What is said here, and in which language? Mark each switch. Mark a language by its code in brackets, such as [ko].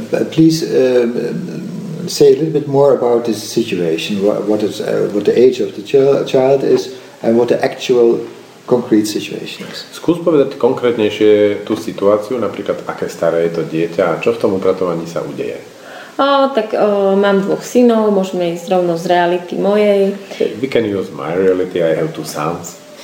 [en] Please say a little bit more about this situation. What the age of the child is and what the actual concrete situations. [sk] Skús povedať konkrétnejšie tú situáciu, napríklad aké staré je to dieťa a čo v tom upratovaní sa udeje. Mám dvoch synov, môžeme ísť rovno z reality mojej. [en] We can use my reality, I have two sons.